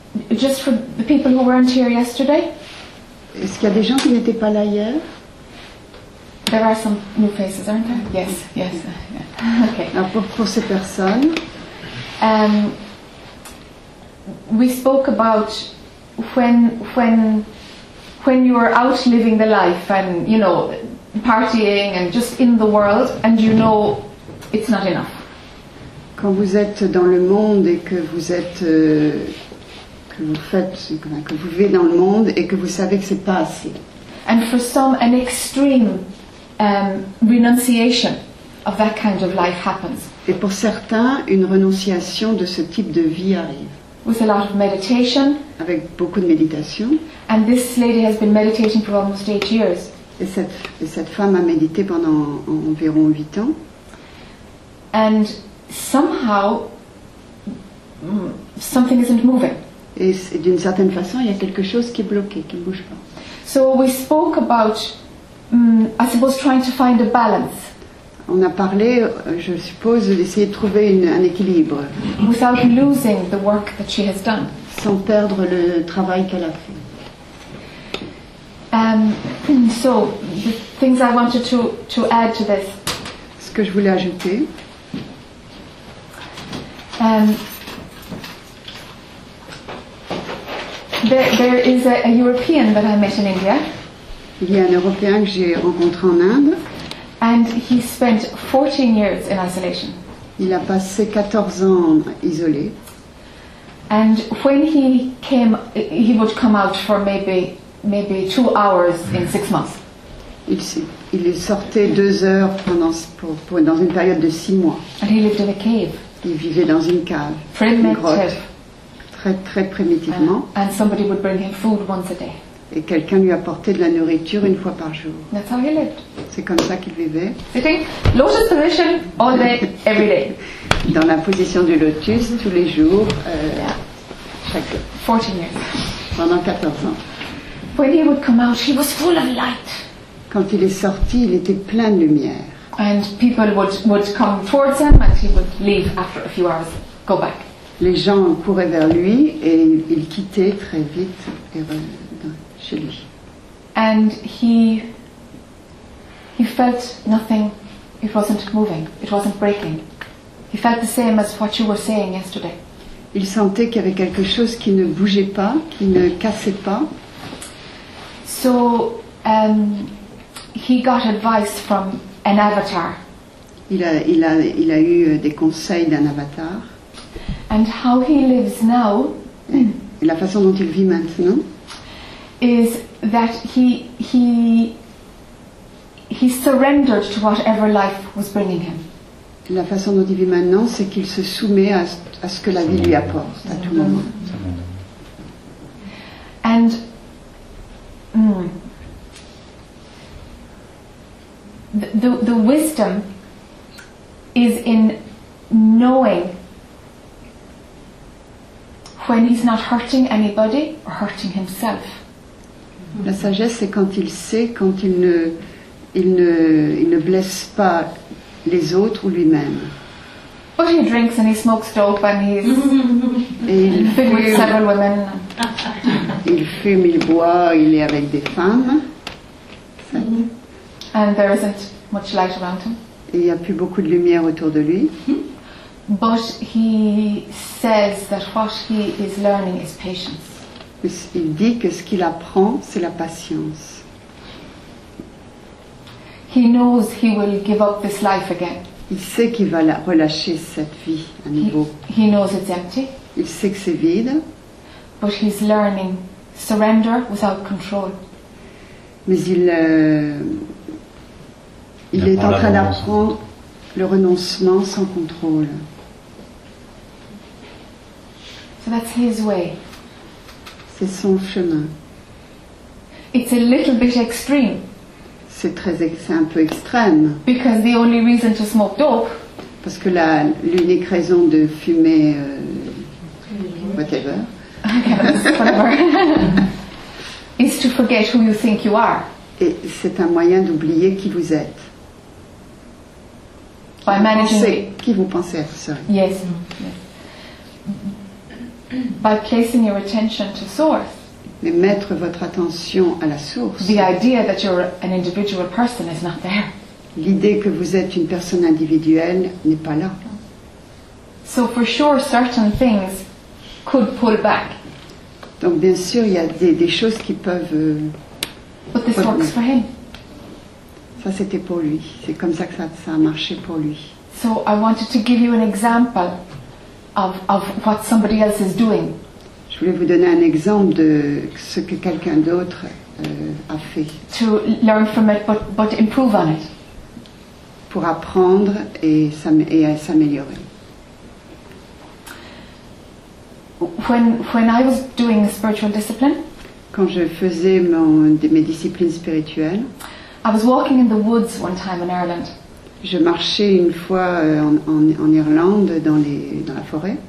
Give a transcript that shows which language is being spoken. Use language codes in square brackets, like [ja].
[en] Just for the people who weren't here yesterday. [fr] Est-ce qu'il y a des gens qui n'étaient pas là hier? [en] There are some new faces, aren't there? Yes, yes. Okay. [fr] Alors pour ces personnes. [en] We spoke about when you are out living the life and, you know, partying and just in the world and you know. It's not enough. [fr] Quand vous êtes dans le monde et que vous êtes que vous vivez dans le monde et que vous savez que c'est pas assez. [en] And for some, an extreme renunciation of that kind of life happens. [fr] Et pour certains, une renonciation de ce type de vie arrive. [en] With a lot of meditation. [fr] Avec beaucoup de méditation. [en] And this lady has been meditating for almost 8 years. [fr] Et cette femme a médité pendant environ 8 ans. [en] And somehow, something isn't moving. [fr] Et d'une certaine façon, il y a quelque chose qui est bloqué, qui ne bouge pas. [en] So we spoke about, I suppose, trying to find a balance. [fr] On a parlé, je suppose, d'essayer de trouver un équilibre. [en] Without losing the work that she has done. [fr] Sans perdre le travail qu'elle a fait. [en] So, the things I wanted to add to this. [fr] Ce que je voulais ajouter. Um, [en] There is a European that I met in India. [fr] Il y a un Européen que j'ai rencontré en Inde. [en] And he spent 14 years in isolation. [fr] Il a passé 14 ans isolé. [en] And when he came, he would come out for maybe 2 hours in 6 months. [fr] Il sortait 2 heures dans une période de 6 mois. [en] And he lived in a cave. [fr] Il vivait dans une cave, primitive, une grotte, très très primitivement. [en] And somebody would bring him food once a day. [fr] Et quelqu'un lui apportait de la nourriture une fois par jour. [en] That's how he lived. [fr] C'est comme ça qu'il vivait. [en] Sitting, lotus position, all day, every day. [fr] Dans la position du lotus, tous les jours, chaque jour. [en] 14 years. [fr] Pendant 14 ans. [en] When he would come out, he was full of light. [fr] Quand il est sorti, il était plein de lumière. [en] And people would come towards him, and he would leave after a few hours, go back. [fr] Les gens couraient vers lui, et il quittait très vite et chez lui. [en] And he felt nothing. It wasn't moving. It wasn't breaking. He felt the same as what you were saying yesterday. [fr] Il sentait qu'il y avait quelque chose qui ne bougeait pas, qui ne cassait pas. [en] So he got advice from an avatar. [fr] Il a eu des conseils d'un avatar. [en] And how he lives now. [fr] Et la façon dont il vit maintenant. [en] Is that he surrendered to whatever life was bringing him. [fr] La façon dont il vit maintenant, c'est qu'il se soumet à ce que la vie lui apporte à tout moment. [en] And the wisdom is in knowing when he's not hurting anybody or hurting himself. [fr] La sagesse, c'est quand il sait, quand il ne blesse pas les autres ou lui-même. [en] But he drinks and he smokes dope and he's fit with several women. [fr] Il fume, il boit, il est avec des femmes. [en] Mm-hmm. And there isn't much light around him. [fr] Il n'y a plus beaucoup de lumière autour de lui. Mm-hmm. [en] But he says that what he is learning is patience. [fr] Il dit que ce qu'il apprend, c'est la patience. [en] He knows he will give up this life again. [fr] Il sait qu'il va relâcher cette vie à nouveau. [en] He knows it's empty. [fr] Il sait que c'est vide. [en] But he's learning surrender without control. [fr] Mais il est en train d'apprendre le renoncement sans contrôle. [en] So that's his way. [fr] C'est son chemin. [en] It's a little bit extreme. [fr] C'est un peu extrême. [en] Because the only reason to smoke dope. [fr] Parce que l'unique raison de fumer [en] whatever. Okay, whatever. Is to forget who you think you are. [fr] Et c'est un moyen d'oublier qui vous êtes. [en] By managing. [fr] Qui vous pensez être, [en] sorry. Yes. By placing your attention to source. [fr] Mais mettre votre attention à la source. [en] The idea that you're an individual person is not there. [fr] L'idée que vous êtes une personne individuelle n'est pas là. [en] So for sure certain things could pull back. [fr] Donc bien sûr il y a des choses qui peuvent [en] But this works for him. [fr] Ça c'était pour lui. C'est comme ça que ça a marché pour lui. [en] So I wanted to give you an example. Of what somebody else is doing. [fr] Je voulais vous donner un exemple de ce que quelqu'un d'autre a fait. [en] To learn from it, but improve on it. [fr] Pour apprendre et s'améliorer. [en] When I was doing spiritual discipline. [fr] Quand je faisais mes disciplines spirituelles. [en] I was walking in the woods one time in Ireland. [fr] Je marchais une fois en Irlande dans la forêt.